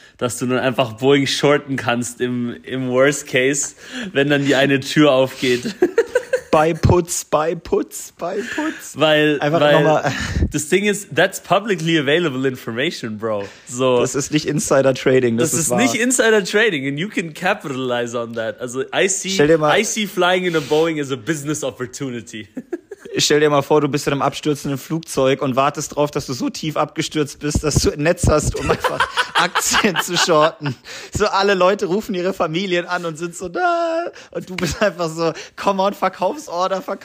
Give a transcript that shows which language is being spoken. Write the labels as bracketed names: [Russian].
[German] Dass du dann einfach Boeing shorten kannst im Worst Case, wenn dann die eine Tür aufgeht. Bei Putz. Weil nochmal. Das Ding ist, [English] that's publicly available information, bro. [German] So. Das ist nicht Insider Trading. Das ist wahr. [English] Nicht Insider Trading, and you can capitalize on that. Also, I see flying in a Boeing as a business opportunity. [German] Stell dir mal vor, du bist in einem abstürzenden Flugzeug und wartest drauf, dass du so tief abgestürzt bist, dass du ein Netz hast, um einfach Aktien zu shorten. So alle Leute rufen ihre Familien an und sind so da. Und du bist einfach so, [English] come on, [German] Verkaufsorder.